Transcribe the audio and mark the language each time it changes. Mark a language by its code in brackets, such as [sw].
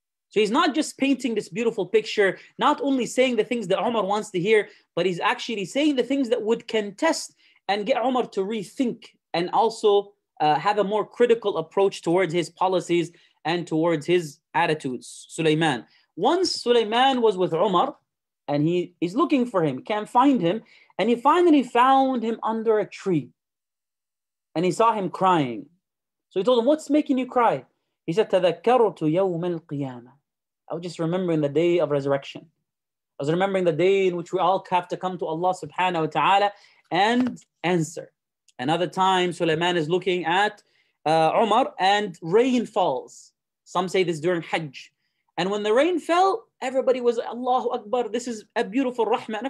[en] So he's not just painting this beautiful picture, not only saying the things that Umar wants to hear, but he's actually saying the things that would contest and get Umar to rethink and also have a more critical approach towards his policies and towards his attitudes, Sulaiman. Once Sulaiman was with Umar, and he is looking for him, can't find him, and he finally found him under a tree. And he saw him crying. So he told him, what's making you cry? He said, [ar] تَذَكَّرْتُ يَوْمَ الْقِيَامَةِ. [en] I was just remembering the day of resurrection. I was remembering the day in which we all have to come to Allah subhanahu wa ta'ala and answer. Another time, Sulaiman is looking at Umar and rain falls. Some say this during Hajj. And when the rain fell, everybody was, Allahu Akbar, this is a beautiful rahmah.